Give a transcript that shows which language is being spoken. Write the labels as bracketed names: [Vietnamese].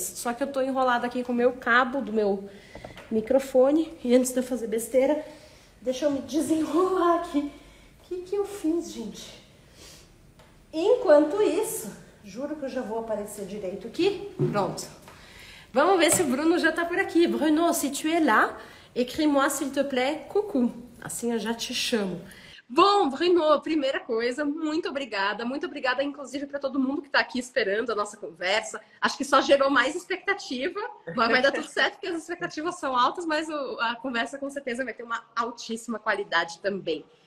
[Portuguese] Só que eu tô enrolada aqui com o meu cabo do meu microfone, e antes de eu fazer besteira, deixa eu me desenrolar aqui. O que que eu fiz, gente? Enquanto isso, juro que eu já vou aparecer direito aqui. Pronto. Vamos ver se o Bruno já tá por aqui. [French] Bruno, se tu es là, écris-moi, s'il te plaît, coucou. [Portuguese] Assim eu já te chamo. Bom, Bruno, primeira coisa, muito obrigada. Muito obrigada, inclusive, para todo mundo que está aqui esperando a nossa conversa. Acho que só gerou mais expectativa. Vai dar tudo certo, porque as expectativas são altas, mas a conversa, com certeza, vai ter uma altíssima qualidade também.